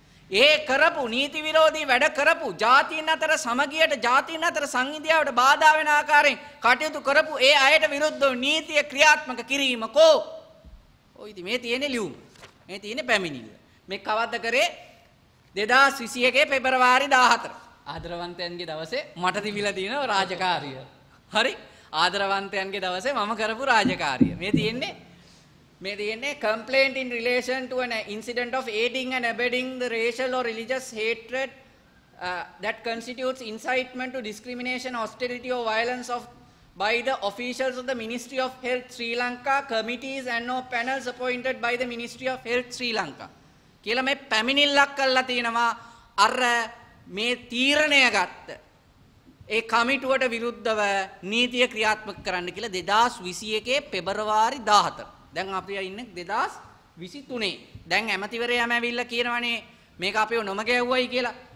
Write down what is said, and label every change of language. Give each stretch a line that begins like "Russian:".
Sinhala: ඒ කරපු නීති විරෝධී වැඩ කරපු ජාතීන් අතර සමගියට, ජාතීන් අතර සංහිඳියාවට බාධා වෙන ආකාරයෙන් කටයුතු කරපු ඒ අයට විරුද්ධව නීතිය ක්‍රියාත්මක කිරීම කෝ? ඔයිදි මේ තියෙන්නේ ලියුම, මේ තියෙන්නේ පැමිණිල්ල. මේ කවද්ද කරේ? 2021 පෙබරවාරි 14 ආදරවන්තයන්ගේ දවසේ මට තිබිලා තියෙන රාජකාරිය. හරි, ආදරවන්තයන්ගේ දවසේ මම කරපු රාජකාරිය. මේ තියෙන්නේ මේ තියෙන්නේ
English: complaint in relation to an incident of aiding and abetting the racial or religious hatred that constitutes incitement to discrimination, austerity or violence of by the officials of the Ministry of Health Sri Lanka, committees and no panels appointed by the Ministry of Health Sri Lanka.
Sinhala: කියලා මේ පැමිණිල්ලක් කරලා තිනවා අර මේ තීරණය ගත්ත ඒ කමිටුවට විරුද්ධව නීතිය ක්‍රියාත්මක කරන්න කියලා 2021 පෙබරවාරි 14. දැන් අපි ඉන්නේ 2023. දැන් ඇමතිවරයාම ඇවිල්ලා කියනවනේ මේක අපිව නොම ගැව්වයි කියලා.